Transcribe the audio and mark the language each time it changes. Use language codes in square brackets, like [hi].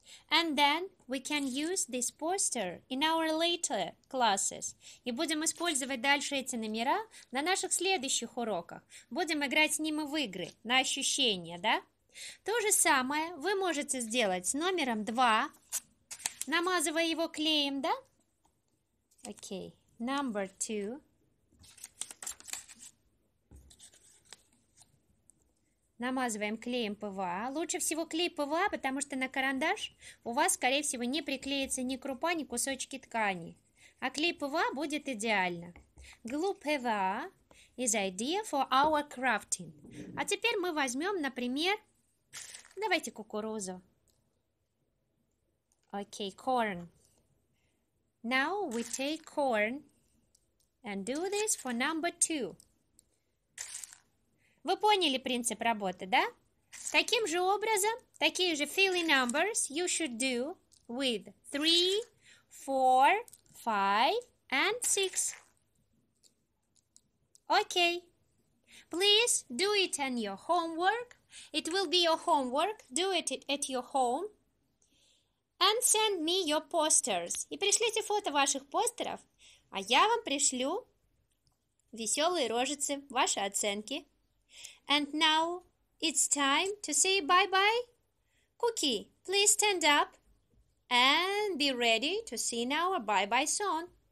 [en] And then we can use this poster in our later classes. [ru] И будем использовать дальше эти номера на наших следующих уроках. Будем играть с ними в игры, на ощущения, да? То же самое вы можете сделать с номером 2, намазывая его клеем, да? [en] Окей, number 2. [ru] Намазываем клеем ПВА. Лучше всего клей ПВА, потому что на карандаш у вас, скорее всего, не приклеится ни крупа, ни кусочки ткани. А клей ПВА будет идеально. [en] Glue ПВА is idea for our crafting. [ru] А теперь мы возьмем, например, давайте кукурузу. [en] Окей, corn. Now we take corn and do this for number 2. [ru] Вы поняли принцип работы, да? Таким же образом, такие же [en] filly numbers you should do with 3, 4, 5 and 6. Окей. Please do it on your homework. It will be your homework. Do it at your home. And send me your posters. [ru] И пришлите фото ваших постеров, а я вам пришлю веселые рожицы, ваши оценки. [en] And now it's time to say bye-bye. Cookie, please stand up and be ready to sing our bye-bye song.